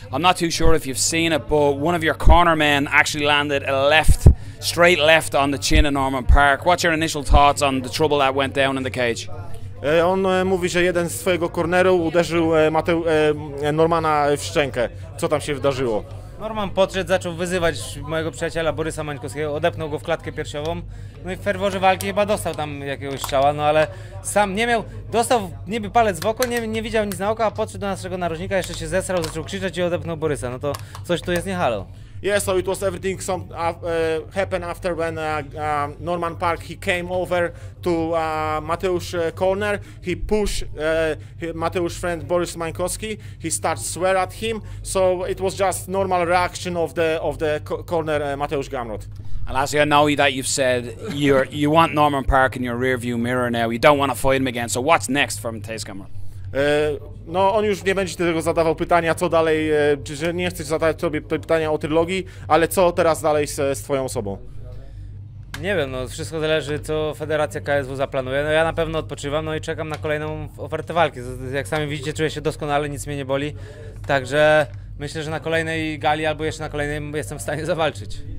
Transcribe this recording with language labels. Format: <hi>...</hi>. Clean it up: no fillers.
<en>I'm not too sure if you've seen it, but one of your cornermen actually landed a left, straight left on the chin of Norman Parke. What's your initial thoughts on the trouble that went down in the cage?</en> <pl>On mówi, że jeden z swojego corneru uderzył Normana w szczękę. Co tam się wydarzyło? Norman podszedł, zaczął wyzywać mojego przyjaciela Borysa Mańkowskiego, odepnął go w klatkę piersiową. No i w ferworze walki chyba dostał tam jakiegoś strzała, no ale sam nie miał, dostał niby palec w oko, nie widział nic na oko, a podszedł do naszego narożnika, jeszcze się zesrał, zaczął krzyczeć i odepnął Borysa. No to coś tu jest nie halo.</pl> <en>Yeah, so it was everything some happened after when Norman Parke, he came over to Mateusz corner. He pushed Mateusz friend Boris Mańkowski. He starts swear at him. So it was just normal reaction of the corner Mateusz Gamrot. And lastly, I know that you've said you want Norman Parke in your rearview mirror now. You don't want to fight him again. So what's next for Mateusz Gamrot?</en> <pl>No on już nie będzie tego zadawał pytania, co dalej, że nie chcesz zadawać sobie pytania o trylogii, ale co teraz dalej z twoją osobą? Nie wiem, no wszystko zależy, co Federacja KSW zaplanuje. No ja na pewno odpoczywam, no i czekam na kolejną ofertę walki. Jak sami widzicie, czuję się doskonale, nic mnie nie boli. Także myślę, że na kolejnej gali albo jeszcze na kolejnej jestem w stanie zawalczyć.</pl>